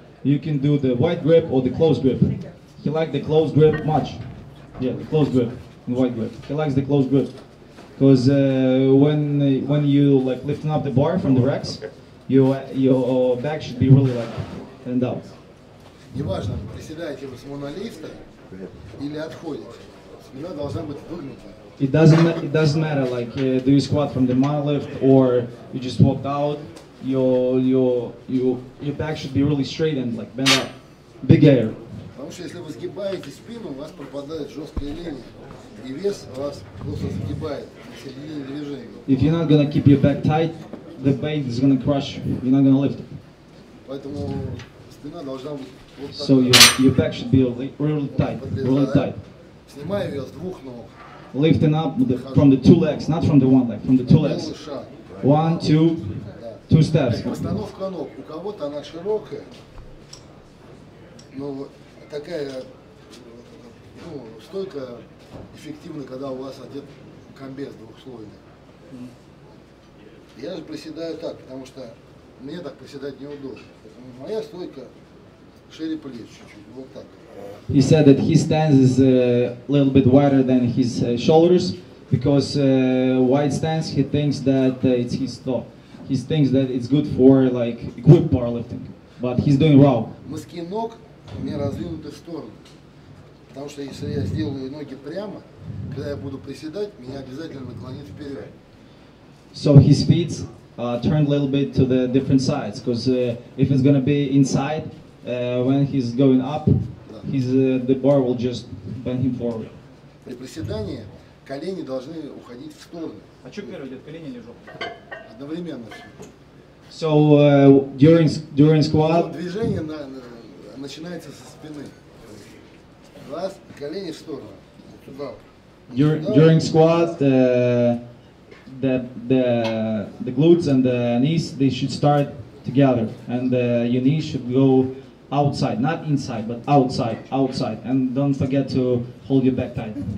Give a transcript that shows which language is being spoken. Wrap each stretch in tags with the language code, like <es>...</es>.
<en>You can do the wide grip or the close grip. He liked the close grip much. Yeah, the close grip and wide grip. He likes the close grip. Because when you like lifting up the bar from the racks, your back should be really like turned out.</en> <ru>Неважно, приседаете вы с монолифта или отходите. Спина должна быть выгнута.</ru> <en>It doesn't matter, like do you squat from the monolift or you just walked out, your back should be really straight and like bend up. Big air.</en> <ru>Потому что если вы сгибаете спину, у вас пропадает жесткая линия. И вес вас просто сгибает на середине движения.</ru> <en>If you're not gonna keep your back tight, the weight is gonna crush you. You're not gonna lift it.</en> <ru>Поэтому спина должна быть вот так.</ru> <en>So your back should be really tight, really tight.</en> <ru>Снимаю ее с двух ног.</ru> <en>Lifting up the, from the two legs, not from the one leg, from the two legs. One, two, two steps.</en> <ru>Постановка ног. У кого-то она широкая, но такая, ну, столько эффективна, когда у вас одет комбез двухслойный. Я же приседаю так, потому что мне так приседать неудобно. Моя стойка шире плеч чуть-чуть, вот так.</ru> <en>He said that his stance is a little bit wider than his shoulders because wide stance, he thinks that it's his thought. He thinks that it's good for like grip powerlifting, but he's doing wrong.</en> <ru>Мышцы ног у меня развернуты в сторону, потому что если я сделаю ноги прямо, когда я буду приседать, меня обязательно наклонит вперед.</ru> <en>So his feet turned a little bit to the different sides because if it's going to be inside, when he's going up, the bar will just bend him forward.</en> <ru>При приседании колени должны уходить в стороны. А что первое идет, колени или жопа? Одновременно.</ru> <en>So during squat.</en> <ru>Движение начинается со спины. Раз, колени в сторону. Туда.</ru> <en>During squat, the glutes and the knees they should start together, and your knees should go outside, not inside, but outside, outside. And don't forget to hold your back tight.</en>